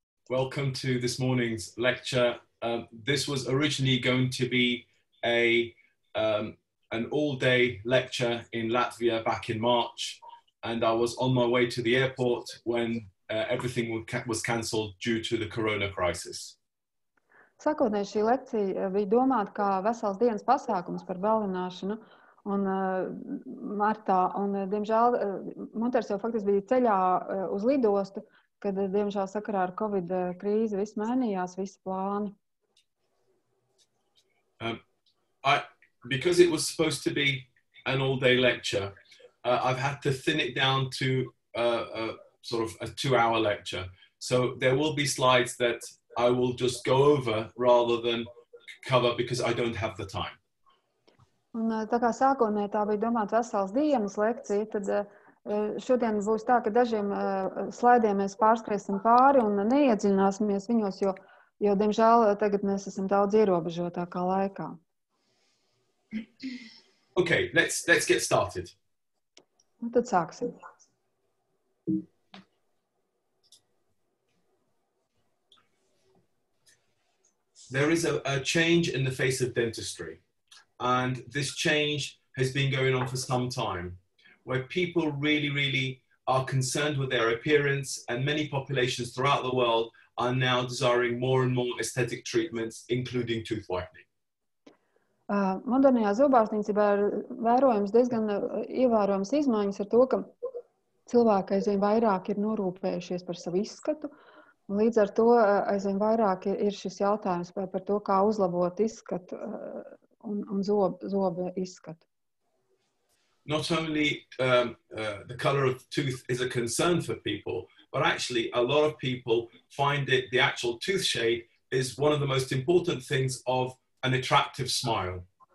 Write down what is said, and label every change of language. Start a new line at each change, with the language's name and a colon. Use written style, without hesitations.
English: Welcome to this morning's lecture. This was originally going to be an all-day lecture in Latvia back in March, and I was on my way to the airport when everything was cancelled due to the corona crisis.
Latvian: Sākotnēji šī lekcija bija domāta kā vesels dienas pasākums par balināšanu un martā. Un, diemžēl, Munthers jau faktiski bija ceļā uz lidostu, kad, diemžēl, sakarā ar Covid krīzi viss mainījās, visi plāni.
English: Because it was supposed to be an all-day lecture, I've had to thin it down to sort of a two-hour lecture. So there will be slides that I will just go over rather than cover because I don't have the time.
Latvian: Un tā kā sākotnēji tā bija domāta vesels dienas lekcija, tad šodien būs tā, ka dažiem slaidiem mēs pārskriesim pāri un neiedziļināsimies viņos, jo diemžēl tagad mēs esam daudz ierobežotākā laikā.
English: Okay, let's get started.
Latvian: Un tad sāksim.
English: There is a change in the face of dentistry, and this change has been going on for some time, where people really, really are concerned with their appearance, and many populations throughout the world are now desiring more and more aesthetic treatments, including tooth whitening.
Latvian: Modernajā zobārstniecībā ir vērojams diezgan ievērojams izmaiņas ar to, ka cilvēki aizvien vairāk ir norūpējušies par savu izskatu, Līdz ar to aizvien vairāk ir šis jautājums par to, kā uzlabot izskatu un zobu izskatu.
English: Not only the color of the tooth is a concern for people, but actually a lot of people find it the actual tooth shade is one of the most important things of an attractive smile.